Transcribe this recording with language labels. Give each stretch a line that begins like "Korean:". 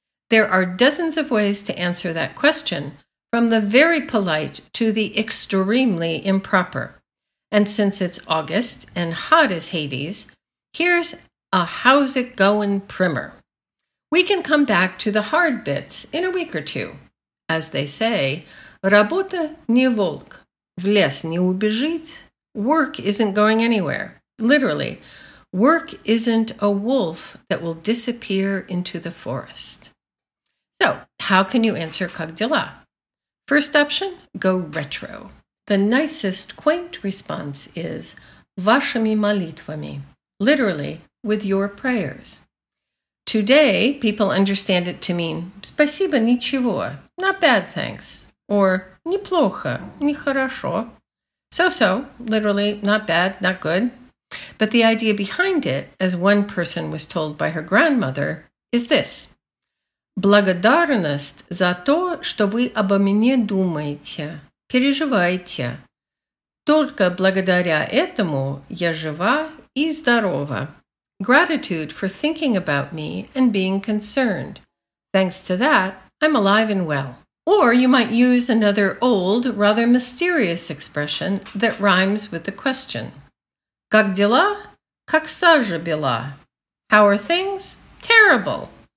English: There are dozens of ways to answer that question, from the very polite to the extremely improper. And since it's August and hot as Hades, here's a how's it going primer. We can come back to the hard bits in a week or two. As they say,
Russian: работа не волк, в лес не убежит.
English: Work isn't going anywhere. Literally, work isn't a wolf that will disappear into the forest. So, how can you answer
Russian: как дела?
English: First option, go retro. The nicest quaint response is
Russian: вашими молитвами,
English: literally, with your prayers. Today, people understand it to mean
Russian: спасибо, ничего,
English: not bad, thanks, or
Russian: неплохо, нехорошо,
English: so-so, literally, not bad, not good. But the idea behind it, as one person was told by her grandmother, is this.
Russian: Благодарность за то, что вы обо мне думаете, переживаете. Только благодаря этому я жива и здорова.
English: Gratitude for thinking about me and being concerned. Thanks to that, I'm alive and well. Or you might use another old, rather mysterious expression that rhymes with the question.
Russian: Как дела? Как сажа била?
English: How are things? Terrible.